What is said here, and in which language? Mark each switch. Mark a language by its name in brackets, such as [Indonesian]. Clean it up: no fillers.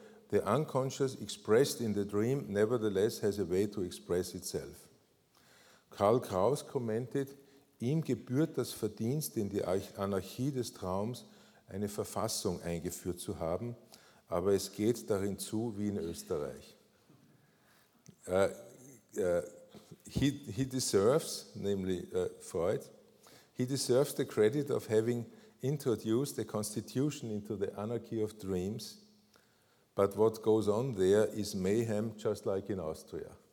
[English] The unconscious expressed in the dream nevertheless has a way to express itself. Karl Kraus commented, [German] ihm gebührt das Verdienst, in die Anarchie des Traums eine Verfassung eingeführt zu haben, aber es geht darin zu wie in Österreich. [English] Freud deserves the credit of having introduced the constitution into the anarchy of dreams, but what goes on there is mayhem just like in Austria.